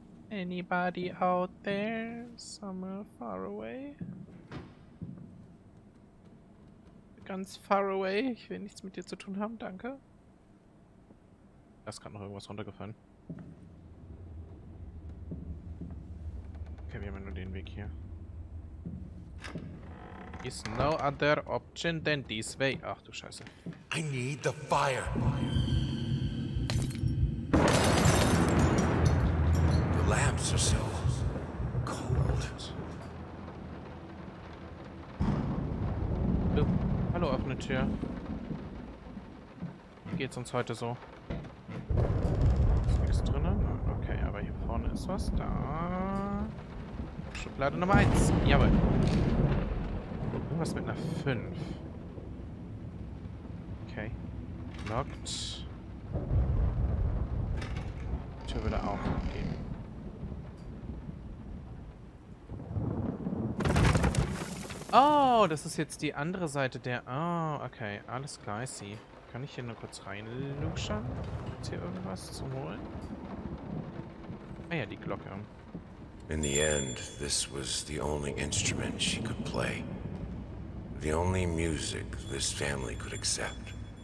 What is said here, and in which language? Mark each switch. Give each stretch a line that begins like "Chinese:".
English: Anybody out there? Somewhere far away? Ganz far away.
German: Ich will nichts mit dir zu tun haben, danke. Da ist gerade noch irgendwas runtergefallen. Okay, wir haben ja nur den Weg hier.
English: Is no other option than this way.
German: Ach du Scheiße.
English: I need the fire. Lamps are so cold.
German: Hallo, offene Tür. Wie geht's uns heute so? Ist nichts drinnen? Okay, aber hier vorne ist was. Da. Schublade Nummer 1. Jawohl. Irgendwas mit einer 5.
English: Okay. Locked.
German: Die Tür würde auch gehen. Oh, das ist jetzt die andere Seite der... Oh, okay. Alles klar, ich sehe. Kann ich hier nur kurz reinluschern? Gibt's hier irgendwas zu holen? Ah ja, die Glocke.
English: In the end, this was the only instrument she could play. The only music this family could accept.